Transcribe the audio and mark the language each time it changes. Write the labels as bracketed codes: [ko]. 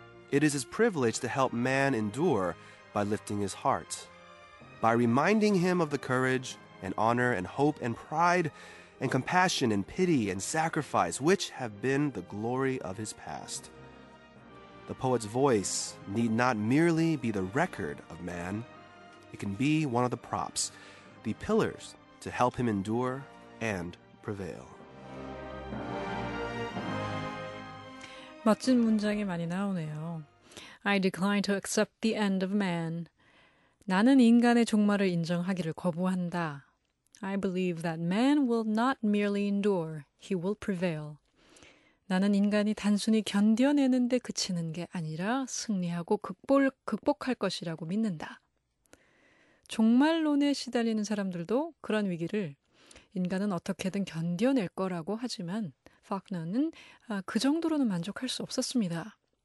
[en] It is his privilege to help man endure by lifting his heart, by reminding him of the courage and honor and hope and pride and compassion and pity and sacrifice which have been the glory of his past. The poet's voice need not merely be the record of man. It can be one of the props, the pillars to help him endure and prevail. [ko] 멋진 문장이 많이 나오네요. [en] I decline to accept the end of man. [ko] 나는 인간의 종말을 인정하기를 거부한다. [en] I believe that man will not merely endure, he will prevail. [ko] 나는 인간이 단순히 견뎌내는데 그치는 게 아니라 승리하고 극복할 것이라고 믿는다. 종말론에 시달리는 사람들도 그런 위기를 인간은 어떻게든 견뎌낼 거라고 하지만 파크너는 그 정도로는 만족할 수 없었습니다.